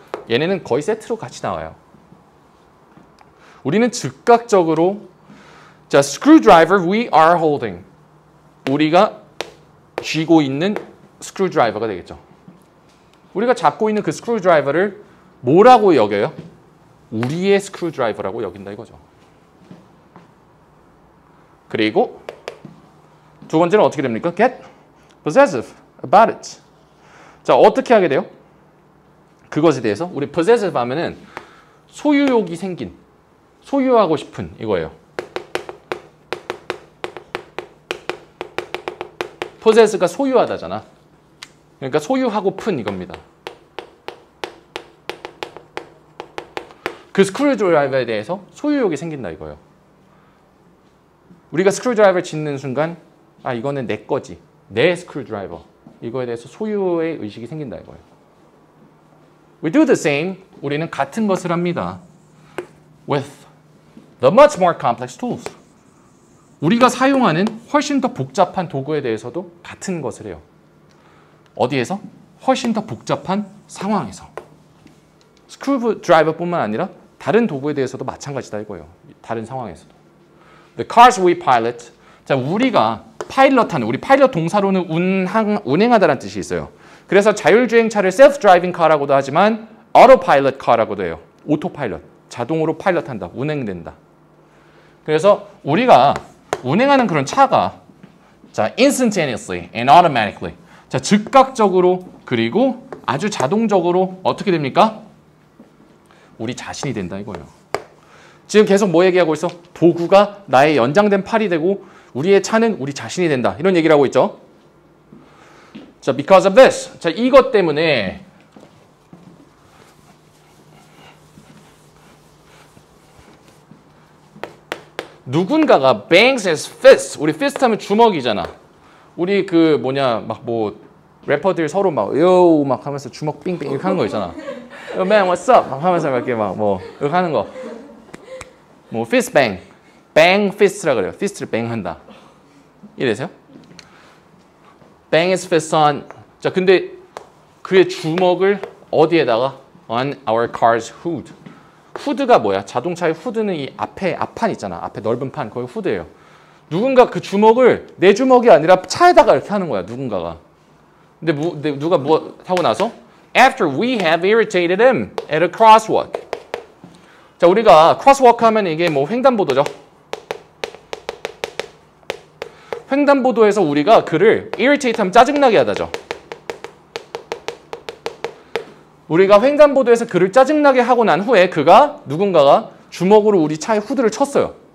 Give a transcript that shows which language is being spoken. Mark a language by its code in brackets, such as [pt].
[ko] 얘네는 거의 세트로 같이 나와요. 우리는 즉각적으로 자 [en] screwdriver we are holding [ko] 우리가 쥐고 있는 스크류드라이버가 되겠죠. 우리가 잡고 있는 그 스크류드라이버를 뭐라고 여겨요? 우리의 스크류드라이버라고 여긴다 이거죠. 그리고 두 번째는 어떻게 됩니까? [en] Get possessive about it. [ko] 자, 어떻게 하게 돼요? 그것에 대해서 우리 possessive 하면은 소유욕이 생긴, 소유하고 싶은 이거예요. possess가 소유하다잖아. 그러니까 소유하고픈 이겁니다. 그 스크류드라이버에 대해서 소유욕이 생긴다 이거예요. 우리가 스크류드라이버 짓는 순간 아 이거는 내 거지. 내 스크류드라이버. 이거에 대해서 소유의 의식이 생긴다 이거예요. [en] We do the same. [ko] 우리는 같은 것을 합니다. [en] With the much more complex tools. [ko] 우리가 사용하는 훨씬 더 복잡한 도구에 대해서도 같은 것을 해요. 어디에서? 훨씬 더 복잡한 상황에서. 스크류드라이버뿐만 아니라 다른 도구에 대해서도 마찬가지다 이거예요. 다른 상황에서도. [en] The cars we pilot. [ko] 자, 우리가 파일럿하는, 우리 파일럿 동사로는 운행하다라는 뜻이 있어요. 그래서 자율주행차를 self-driving car라고도 하지만 autopilot car라고도 해요. 오토파일럿. 자동으로 파일럿한다. 운행된다. 그래서 우리가 운행하는 그런 차가 자 [en] instantaneously and automatically [ko] 자 즉각적으로 그리고 아주 자동적으로 어떻게 됩니까? 우리 자신이 된다 이거예요. 지금 계속 뭐 얘기하고 있어? 도구가 나의 연장된 팔이 되고 우리의 차는 우리 자신이 된다 이런 얘기를 하고 있죠. 자 [en] because of this [ko] 자 이것 때문에 누군가가 [en] bangs his fist. [ko] 우리 fist 하면 주먹이잖아. 우리 그 뭐냐 막 뭐 래퍼들 서로 막 요 막 하면서 주먹 빙빙 이렇게 하는 거 있잖아. [en] Yo, man, what's up? [ko] 막 하면서 이렇게 막 뭐 이렇게 하는 거. 뭐 fist bang. [en] bang fist [ko] 라 그래요. fist를 bang 한다. 이래서요? [en] bang his fist on. [ko] 자, 근데 그의 주먹을 어디에다가? [en] on our car's hood. [ko] 후드가 뭐야? 자동차의 후드는 이 앞에 앞판 있잖아. 앞에 넓은 판. 거기 후드예요. 누군가 그 주먹을 내 주먹이 아니라 차에다가 이렇게 하는 거야. 누군가가. 근데 누가 뭐 하고 나서? [en] After we have irritated him at a crosswalk. [ko] 자, 우리가 crosswalk 하면 이게 뭐 횡단보도죠. 횡단보도에서 우리가 그를 irritate 하면 짜증나게 하다죠. 우리가 횡단보도에서 그를 짜증나게 하고 난 후에 그가 누군가가 주먹으로 우리 차의 후드를 쳤어요.